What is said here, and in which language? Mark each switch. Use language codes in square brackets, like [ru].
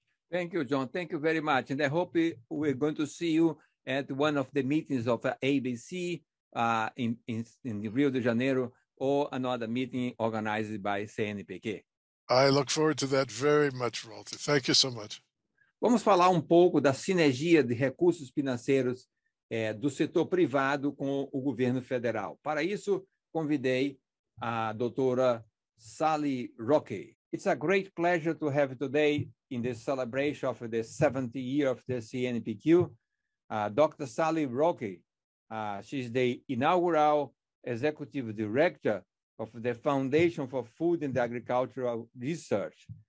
[en] Thank you, John. Thank you very much. And I hope we're going to see you at one of the meetings of ABC in Rio de Janeiro or another meeting organized by CNPq. I look forward to that very much, Walter. Thank you so much. [pt] Vamos falar pouco da sinergia de recursos financeiros do setor privado com o governo federal. Para isso, convidei a doutora Sally Rocky. [en] It's a great pleasure to have today in this celebration of the 70th year of the CNPq, Dr. Sally Rocky. She's the inaugural executive director of the Foundation for Food and Agricultural Research.